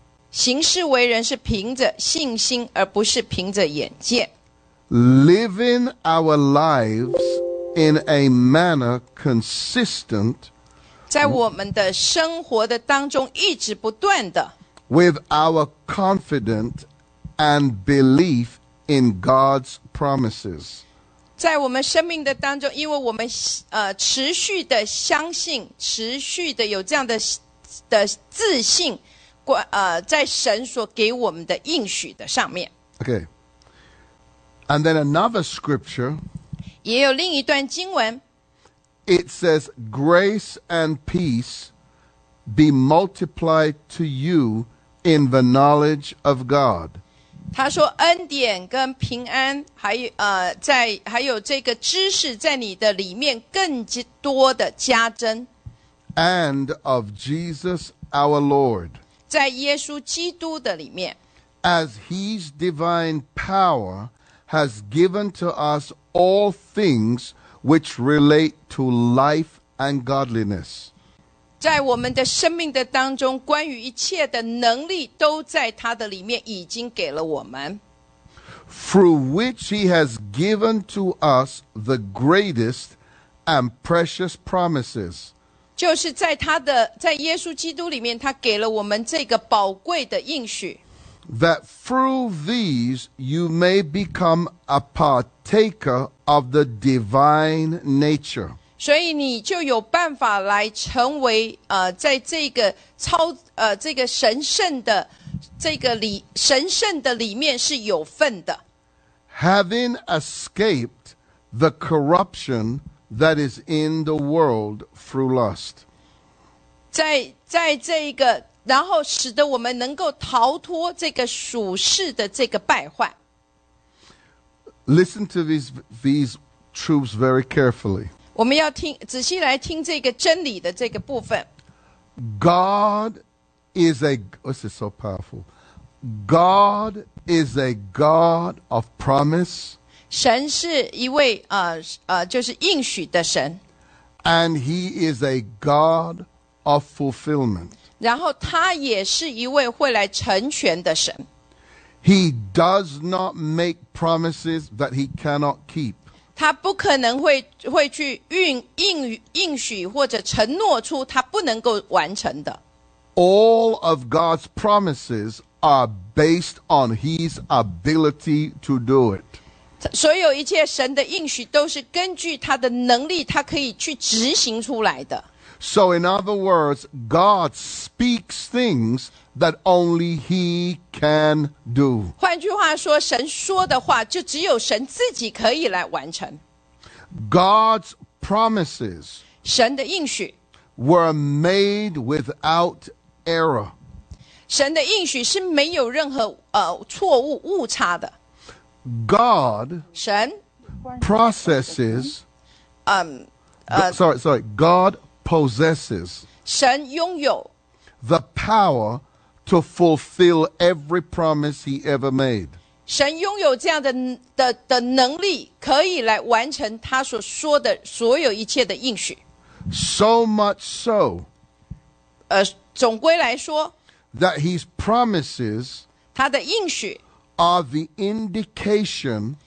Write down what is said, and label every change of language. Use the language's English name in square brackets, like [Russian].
[Chinese] 行事为人是凭着信心，而不是凭着眼见。 [English] Living our lives in a manner consistent, [Chinese] 在我们的生活的当中一直不断的。 [English] With our confident and belief in God's promises. [Chinese] 在我们生命的当中，因为我们持续的相信，持续的有这样的自信，在神所给我们的应许的上面。 [English] Okay. And then another scripture. [Chinese] 也有另一段经文。 [English] It says, "Grace and peace be multiplied to you in the knowledge of God." [Chinese] 他说恩典跟平安还有这个知识在你的里面更多的加增。 [English] And of Jesus our Lord. [Chinese] 在耶稣基督的里面。 [English] As his divine power has given to us all things which relate to life and godliness. [Chinese] 在我们的生命的当中，关于一切的能力都在他的里面已经给了我们。 [English] Through which he has given to us the greatest and precious promises. [Chinese] 就是在他的在耶稣基督里面，他给了我们这个宝贵的应许。 [English] That through these you may become a partaker of the divine nature. [Chinese] 所以你就有办法来成为在这个超这个神圣的这个里神圣的里面是有份的。 [English] Having escaped the corruption that is in the world through lust. [Chinese] 在这个然后使得我们能够逃脱这个属世的这个败坏。 [English] Listen to these truths very carefully. [Chinese] 我们要听仔细来听这个真理的这个部分。 [English] God is a, this is so powerful. God is a God of promise. [Chinese] 神是一位就是应许的神。 [English] And he is a God of fulfillment. [Chinese] 然后他也是一位会来成全的神。 [English] He does not make promises that he cannot keep. [Chinese] 他不可能会去应许或者承诺出他不能够完成的。 [English] All of God's promises are based on his ability to do it. [Chinese] 所有一切神的应许都是根据他的能力他可以去执行出来的。 [English] So in other words, God speaks things that only he can do. [Chinese] 换句话说，神说的话就只有神自己可以来完成。 [English] God's promises [Chinese] 神的应许 [English] were made without error. [Chinese] 神的应许是没有任何错误误差的。 [English] God [Chinese] 神 [English] processes God possesses [Chinese] 神拥有 [English] the power to fulfill every promise he ever made. [Chinese] 神拥有这样 的能力，可以来完成他所说的所有一切的应许。 [English] So much so, [Chinese] 总归来说 [English] that his promises, [Chinese] 他的应许 [English] are the indication,